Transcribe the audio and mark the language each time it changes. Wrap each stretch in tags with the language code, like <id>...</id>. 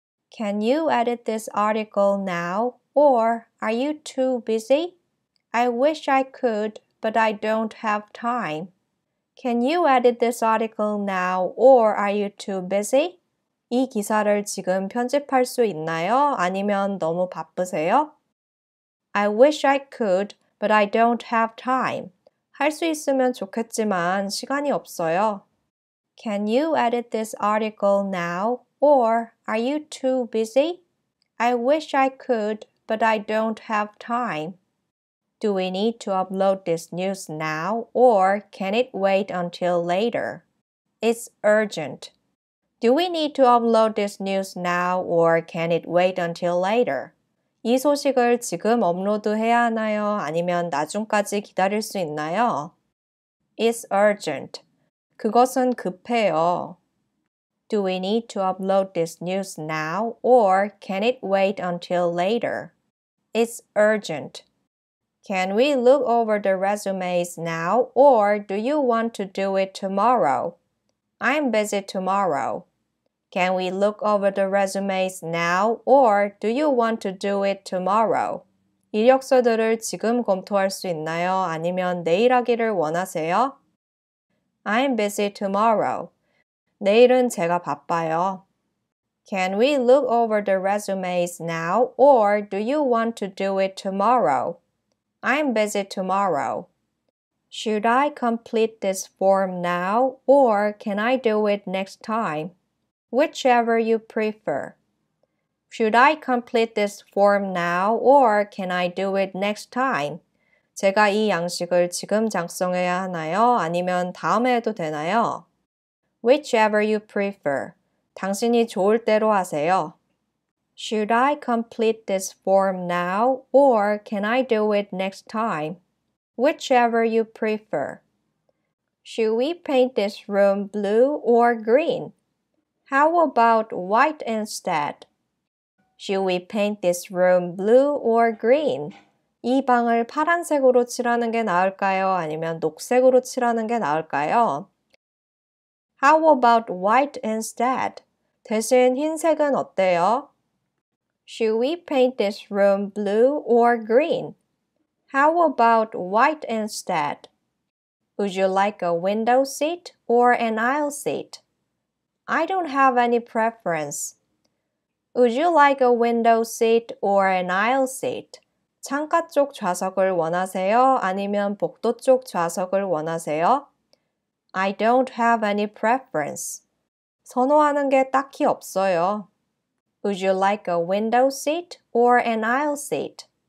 <en>Can you edit this article now, or are you too busy? I wish I could, but I don't have time. Can you edit this article now, or are you too busy?</en> <ko>이 기사를 지금 편집할 수 있나요? 아니면 너무 바쁘세요?</ko> <en>I wish I could, but I don't have time.</en> <ko>할 수 있으면 좋겠지만 시간이 없어요.</ko> <en>Can you edit this article now, or are you too busy? I wish I could, but I don't have time. Do we need to upload this news now, or can it wait until later? It's urgent. Do we need to upload this news now, or can it wait until later?</en> <ko>이 소식을 지금 업로드해야 하나요? 아니면 나중까지 기다릴 수 있나요?</ko> <en>It's urgent.</en> <ko>그것은 급해요.</ko> <en>Do we need to upload this news now, or can it wait until later? It's urgent. Can we look over the resumes now, or do you want to do it tomorrow? I'm busy tomorrow. Can we look over the resumes now, or do you want to do it tomorrow?</en> <ko>이력서들을 지금 검토할 수 있나요? 아니면 내일 하기를 원하세요?</ko> <en>I'm busy tomorrow.</en> <ko>내일은 제가 바빠요.</ko> <en>Can we look over the resumes now, or do you want to do it tomorrow? I'm busy tomorrow. Should I complete this form now, or can I do it next time? Whichever you prefer. Should I complete this form now, or can I do it next time?</en> <ko>제가 이 양식을 지금 작성해야 하나요? 아니면 다음에 해도 되나요?</ko> <en>Whichever you prefer.</en> <ko>당신이 좋을 대로 하세요.</ko> <en>Should I complete this form now, or can I do it next time? Whichever you prefer. Should we paint this room blue or green? How about white instead? Should we paint this room blue or green?</en> <ko>이 방을 파란색으로 칠하는 게 나을까요? 아니면 녹색으로 칠하는 게 나을까요?</ko> <en>How about white instead?</en> <ko>대신 흰색은 어때요?</ko> <en>Should we paint this room blue or green? How about white instead? Would you like a window seat or an aisle seat? I don't have any preference. Would you like a window seat or an aisle seat?</en> <ko>창가 쪽 좌석을 원하세요? 아니면 복도 쪽 좌석을 원하세요?</ko> <en>I don't have any preference.</en> <ko>선호하는 게 딱히 없어요.</ko> <en>Would you like a window seat or an aisle seat?</en>